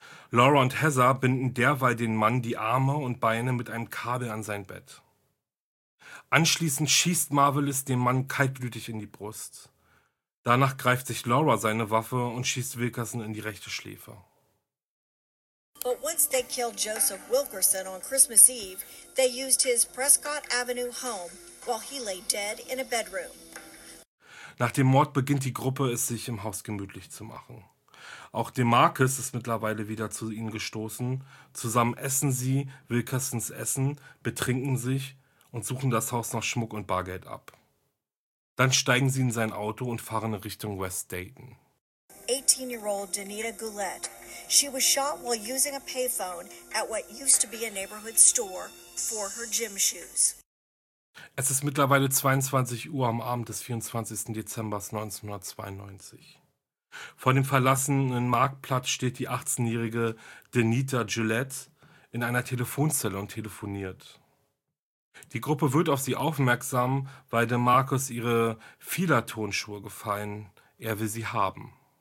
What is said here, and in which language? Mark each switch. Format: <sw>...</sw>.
<de>Laura und Heather binden derweil den Mann die Arme und Beine mit einem Kabel an sein Bett. Anschließend schießt Marvelous dem Mann kaltblütig in die Brust. Danach greift sich Laura seine Waffe und schießt Wilkerson in die rechte Schläfe.</de> <en>But once they killed Joseph Wilkerson on Christmas Eve, they used his Prescott Avenue home while he lay dead in a bedroom.</en> <de>Nach dem Mord beginnt die Gruppe, es sich im Haus gemütlich zu machen. Auch DeMarcus ist mittlerweile wieder zu ihnen gestoßen. Zusammen essen sie Wilkersons Essen, betrinken sich und suchen das Haus nach Schmuck und Bargeld ab. Dann steigen sie in sein Auto und fahren in Richtung West Dayton.</de> <en>18-year-old Danita Goulette. She was shot while using a payphone at what used to be a neighborhood store for her gym shoes.</en> <de>Es ist mittlerweile 22 Uhr am Abend des 24. Dezember 1992. Vor dem verlassenen Marktplatz steht die 18-jährige Danita Goulette in einer Telefonzelle und telefoniert. Die Gruppe wird auf sie aufmerksam, weil DeMarcus ihre Fila-Tonschuhe gefallen. Er will sie haben.</de>